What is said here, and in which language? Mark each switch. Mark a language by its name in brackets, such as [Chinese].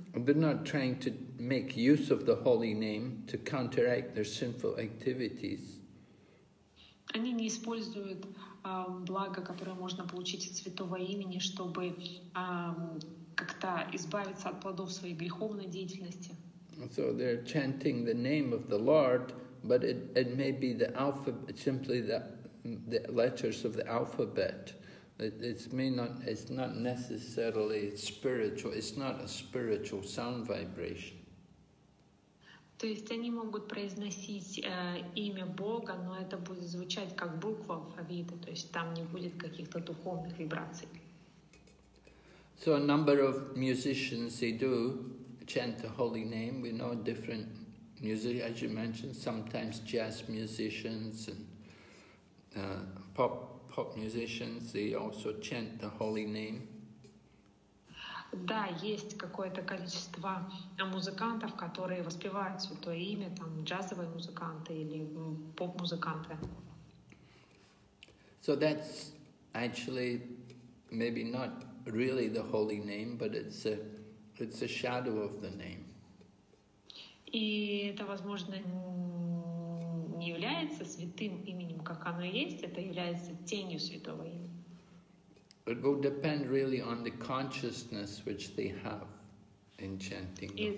[English] They're not trying to make use of the holy name to counteract their sinful activities. [Russian] Они не используют благо, которое можно получить от святого имени, чтобы как-то избавиться от плодов своей греховной деятельности. [English] So they're chanting the name of the Lord, but it may be the alphabet, simply the letters of the alphabet. It's not necessarily spiritual. It's not a spiritual sound vibration. [Russian] То есть они могут произносить имя Бога, но это будет звучать как буква алфавита. То есть там не будет каких-то духовных вибраций. [English] So a number of musicians, they do chant the holy name. We know different music, as you mentioned, sometimes jazz musicians and pop musicians, they also chant the holy name. [Russian] Да, есть какое-то количество музыкантов, которые воспевают святое имя, там джазовые музыканты или поп-музыканты. [English] So that's actually maybe not really the holy name, but it's a shadow of the name. [Russian] И это, возможно, не является святым именем, как оно есть, это является тенью святого имени. [English] It will depend really on the consciousness which they have in chanting.